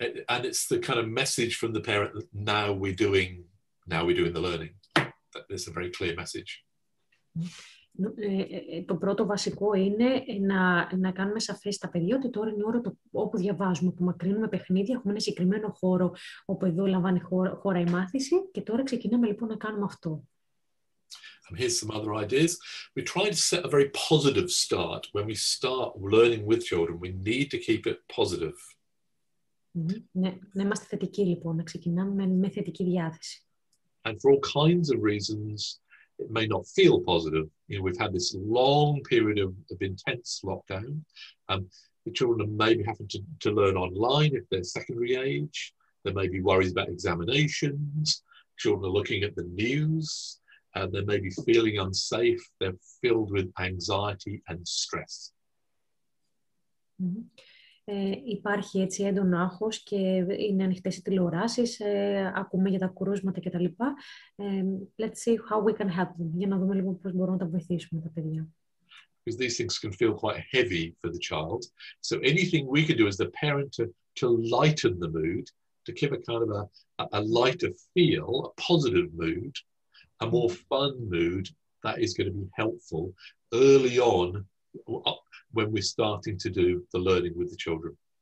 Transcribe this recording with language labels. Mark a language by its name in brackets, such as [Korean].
[English] And it's the kind of message from the parent that now we're doing the learning. That is a very clear message. [Greek] Το πρώτο βασικό είναι να κάνουμε σαφές στα παιδιά ότι τώρα είναι η ώρα όπου διαβάζουμε, που μακρύνουμε παιχνίδια, έχουμε ένα συγκεκριμένο χώρο όπου εδώ λαμβάνει χώρα η μάθηση και τώρα ξεκινάμε λοιπόν να κάνουμε αυτό. [English] And here's some other ideas. We try to set a very positive start. When we start learning with children, we need to keep it positive. [Greek] Ναι, να είμαστε θετικοί λοιπόν, να ξεκινάμε με θετική διάθεση. [English] And for all kinds of reasons, it may not feel positive. You know, we've had this long period of intense lockdown. The children may be having to learn online if they're secondary age. There may be worries about examinations. Children are looking at the news. They may be feeling unsafe. They're filled with anxiety and stress. Mm-hmm. [Greek] Υπάρχει έτσι έντονο άγχος και είναι ανοιχτές οι τηλεοράσεις, ακούμε για τα κρούσματα κτλ. [English] Let's see how we can help them. [Greek] Για να δούμε λοιπόν πώς μπορούμε να τα βοηθήσουμε τα παιδιά. [English] Because these things can feel quite heavy for the child. So anything we can do as the parent to lighten the mood, to give a kind of a lighter feel, a positive mood, a more fun mood, that is going to be helpful early on when we're starting to do the learning with the children.